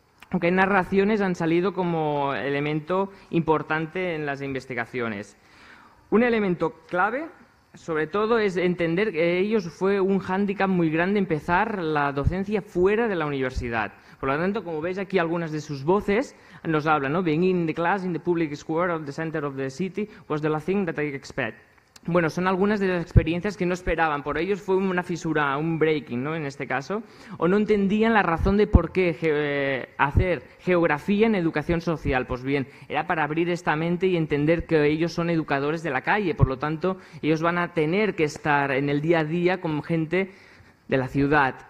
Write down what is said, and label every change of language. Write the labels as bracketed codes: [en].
[es] Aunque narraciones han salido como elemento importante en las investigaciones. Un elemento clave, sobre todo, es entender que ellos fue un hándicap muy grande empezar la docencia fuera de la universidad. Por lo tanto, como veis aquí, algunas de sus voces nos hablan, ¿no? [en] Being in the class, in the public square, of the center of the city, was the last thing that I expect. [es] Bueno, son algunas de las experiencias que no esperaban. Por ellos fue una fisura, un breaking, ¿no?, en este caso. O no entendían la razón de por qué hacer geografía en educación social. Pues bien, era para abrir esta mente y entender que ellos son educadores de la calle. Por lo tanto, ellos van a tener que estar en el día a día con gente de la ciudad.